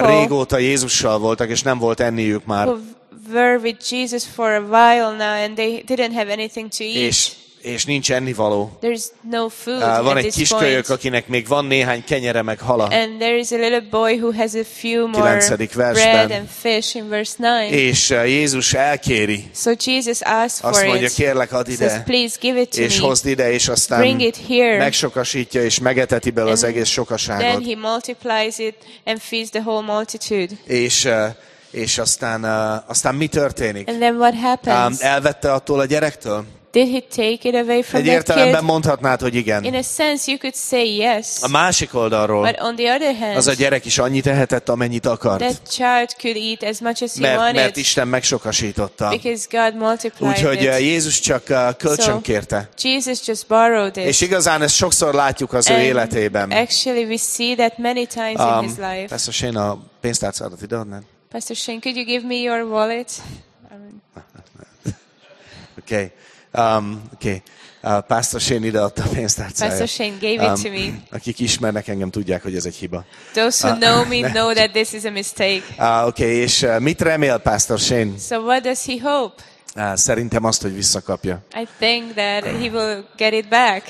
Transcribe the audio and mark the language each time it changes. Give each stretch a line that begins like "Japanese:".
Hungarian: már régóta Jézussal voltak, és nem volt enniük már.
English: Who were with Jesus for a while now, and they didn't have anything to eat.
Hungarian: És és nincs ennivaló.
English: There's no food.
Hungarian: Van egy kiskölyök, akinek még van néhány kenyere meg hala.
English: And there is a little boy who has a few more bread and fish in verse 9.
Hungarian: És Jézus elkéri.
English: So Jesus asks for it.
Hungarian: Azt mondja, kérlek, add ide.
English: Says, please give it to me.
Hungarian: És hozd ide, és aztán
English: bring it here.
Hungarian: Megsokasítja és megeteti bele az egész sokaságot.
English: Then he multiplies it and feeds the whole multitude.
Hungarian: És aztán aztán mi történik?
English: And then what happens?
Hungarian: Elvette attól a gyerektől?
English: Did he take it away from
Hungarian: egy értelemben mondhatnád, hogy igen.
English: In a sense you could say yes.
Hungarian: A másik oldalról.
English: But on the other hand,
Hungarian: az a gyerek is annyit ehetett, amennyit akart.
English: That child could eat as much as he wanted.
Hungarian: Mert Isten megsokasította.
English: Because God multiplied.
Hungarian: Úgyhogy Jézus csak kölcsön kérte.
English: So Jesus just borrowed it.
Hungarian: És igazán ezt sokszor látjuk az ő életében.
English: Actually we see that many times in his life.
Hungarian: Pastor Shane, a pénztárcádat ide adnád?
English: Pastor Shane, could you give me your wallet? Okay.
Hungarian: Pastor Shane ide adta a pénztárcáját.
English: Pastor Shane gave it to me.
Hungarian: Akik ismernek engem, tudják, hogy ez egy hiba.
English: Those who know me know that this is a mistake.
Hungarian: És mit remél Pastor Shane?
English: So what does he hope?
Hungarian: Szerintem azt, hogy visszakapja.
English: I think that he will get it back.